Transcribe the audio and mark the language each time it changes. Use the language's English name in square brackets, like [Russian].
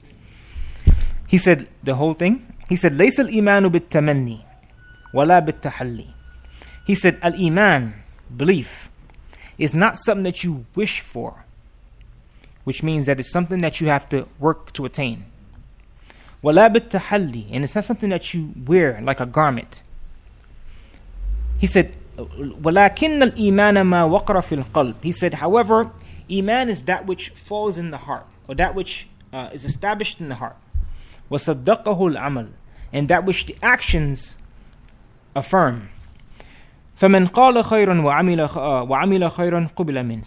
[English] thing? He said the whole thing. He said, [Arabic] لَيْسَ الْإِيمَانُ بِالتَّمَنِّي وَلَا بِالتَّحَلِّي. [English] He said, al-Iman, belief, is not something that you wish for, which means that it's something that you have to work to attain. [Arabic] وَلَا بِالتَّحَلِّي, [English] and it's not something that you wear like a garment. He said, [Arabic] وَلَكِنَّ الْإِيمَانَ مَا وَقْرَ فِي الْقَلْبِ. [English] He said, however, iman is that which falls in the heart, or that which is established in the heart. [Arabic] وَصَدَّقَهُ الْعَمَلِ, [English] and that which the actions affirm. [Arabic] فَمَنْ قَالَ خَيْرًا وَعَمِلَ خَيْرًا قُبِلَ مِنْ.